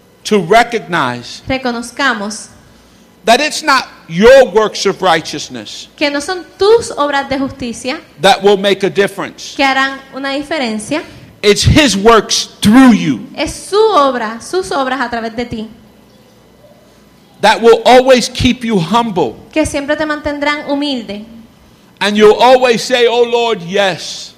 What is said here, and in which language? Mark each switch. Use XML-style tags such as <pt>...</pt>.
<en>to recognize,</en> <es>reconozcamos,</es> <en>that it's not your works of righteousness,</en> <es>que no son tus obras de justicia,</es> <en>that will make a difference,</en> <es>que harán una diferencia.</es> <en>It's his works through you,</en> <es>es su obra, sus obras a través de ti,</es> <en>that will always keep you humble,</en> <es>que siempre te mantendrán humilde,</es> <en>and you'll always say, oh Lord, yes,</en>